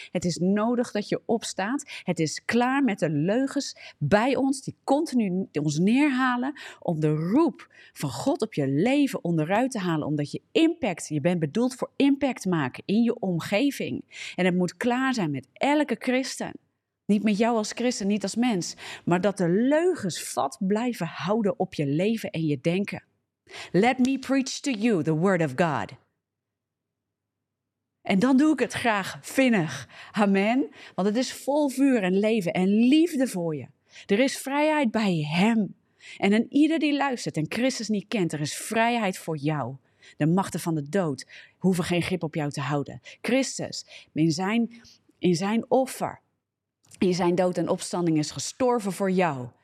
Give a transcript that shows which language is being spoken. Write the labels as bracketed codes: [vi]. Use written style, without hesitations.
[nl] Het is nodig dat je opstaat. Het is klaar met de leugens bij ons die continu ons neerhalen om de roep van God op je leven onderuit te halen, omdat je impact, je bent bedoeld voor impact maken in je omgeving. En het moet klaar zijn met elke christen. Niet met jou als christen, niet als mens, maar dat de leugens vat blijven houden op je leven en je denken. [en] Let me preach to you the word of God. [nl] En dan doe ik het graag vinnig. Amen. Want het is vol vuur en leven en liefde voor je. Er is vrijheid bij hem. En een ieder die luistert en Christus niet kent, er is vrijheid voor jou. De machten van de dood hoeven geen grip op jou te houden. Christus, in zijn offer, in zijn dood en opstanding is gestorven voor jou.